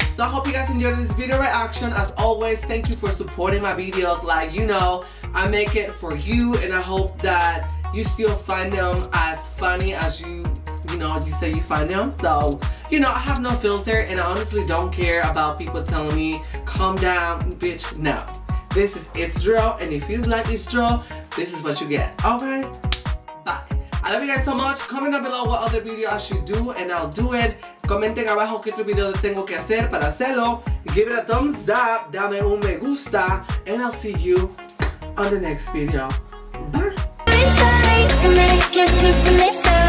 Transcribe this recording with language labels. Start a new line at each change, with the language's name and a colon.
English: So I hope you guys enjoyed this video reaction, as always, thank you for supporting my videos, like, you know, I make it for you, and I hope that you still find them as funny as you, you know, you say you find them, so... You know, I have no filter, and I honestly don't care about people telling me, calm down, bitch, no. This is Israel, and if you like Israel, this is what you get. Okay? Bye. I love you guys so much. Comment down below what other video I should do, and I'll do it.
Spanish: Comenten abajo qué otro video tengo que hacer para hacerlo.
English: Give it a thumbs up,
Spanish: dame un me gusta,
English: and I'll see you on the next video. Bye.